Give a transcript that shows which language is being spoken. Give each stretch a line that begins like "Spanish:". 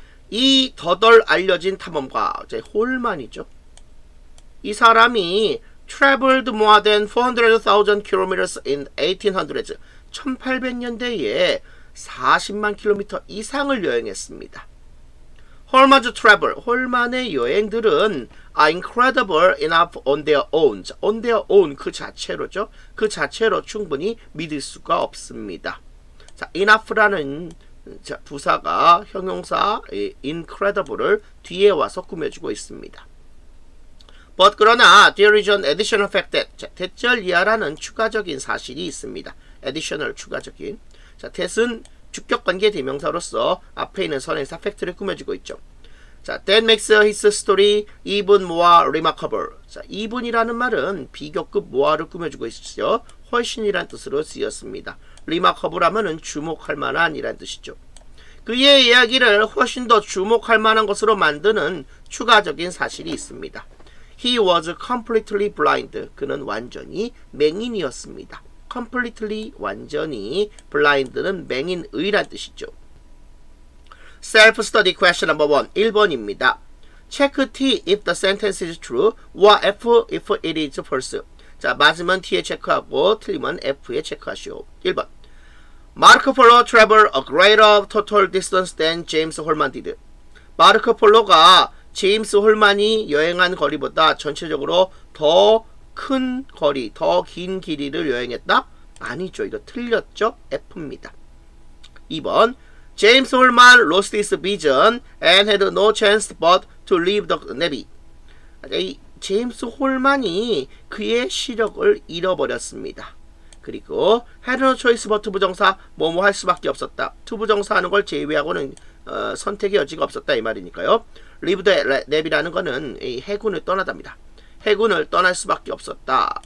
Korean: 이 더덜 알려진 탐험가, 이제 홀만이죠. 이 사람이
English: traveled more than 400,000 kilometers in 1800s.
Korean: 1800년대에 40만 킬로미터 이상을 여행했습니다.
English: Holman's travel. Holman의
Korean: 여행들은
English: are incredible enough on their own. on their own
Korean: 그 자체로죠. 그 자체로 충분히 믿을 수가 없습니다. 자, enough라는 부사가 형용사 incredible을 뒤에 와서 꾸며주고 있습니다.
English: But
Korean: 그러나
English: there is an additional fact that.
Korean: 자, that절 이하라는 추가적인 사실이 있습니다. additional 추가적인. 자, that은 주격관계 대명사로서 앞에 있는 선행사 팩트를 꾸며주고 있죠.
English: 자, that makes his story even more remarkable.
Korean: 자, even이라는 말은 비교급 more를 꾸며주고 있죠. 훨씬이란 뜻으로 쓰였습니다. remarkable 하면은 주목할 만한 이란 뜻이죠. 그의 이야기를 훨씬 더 주목할 만한 것으로 만드는 추가적인 사실이 있습니다.
English: He was completely blind.
Korean: 그는 완전히 맹인이었습니다. Completely, 완전히. Blind는 맹인의란 뜻이죠.
English: Self-study question number 1.
Korean: 1번입니다.
English: Check T if the sentence is true or F if it is false.
Korean: 자, 맞으면 T에 체크하고 틀리면 F에 체크하시오.
English: 1번. Mark Polo traveled a greater total distance than James Holman did.
Korean: 마르크 폴로가 제임스 홀만이 여행한 거리보다 전체적으로 더 큰 거리, 더 긴 길이를 여행했다? 아니죠. 이거 틀렸죠? F입니다. 2번.
English: James Holman lost his vision and had no chance but to leave the Navy.
Korean: 제임스 홀만이 그의 시력을 잃어버렸습니다. 그리고 had no choice but 부정사, 뭐뭐 할 수밖에 없었다. 부정사 하는 걸 제외하고는 선택의 여지가 없었다 이 말이니까요. Leave the Navy라는 거는 이 해군을 떠나답니다. 해군을 떠날 수밖에 없었다.